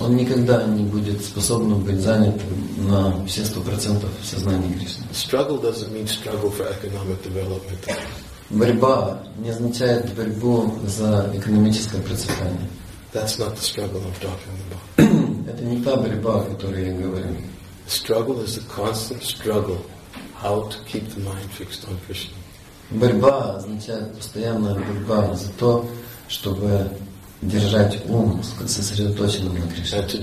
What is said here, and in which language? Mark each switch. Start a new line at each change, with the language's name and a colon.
Russian: Он никогда не будет способен быть занятым на все 100% в сознании Кришны.
English: Struggle doesn't mean struggle for economic development.
Russian: Борьба не означает борьбу за экономическое процветание.
English: That's not the struggle I'm talking about.
Russian: Это не та борьба, о которой я говорю.
English: Struggle is the constant struggle how to keep the mind fixed on Krishna.
Russian: Борьба означает постоянная борьба за то, чтобы держать ум сосредоточенным на Кришне.